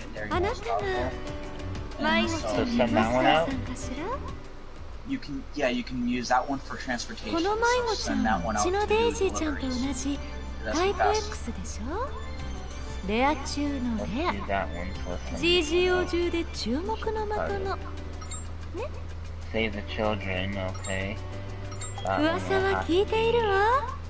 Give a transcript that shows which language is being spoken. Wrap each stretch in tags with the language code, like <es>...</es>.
<ja>あなたが毎日のマスターさんかしら？</ja> <en>You can, yeah, you can use that one for transportation.</en> <ja>この迷子ちゃん、うちのデイジーちゃんと同じタイプ X でしょ？レア中のレア。GGO 中で注目の的の。ね？</ja> <en>Save the children, okay.</en> <ja>噂は聞いているわ。</ja>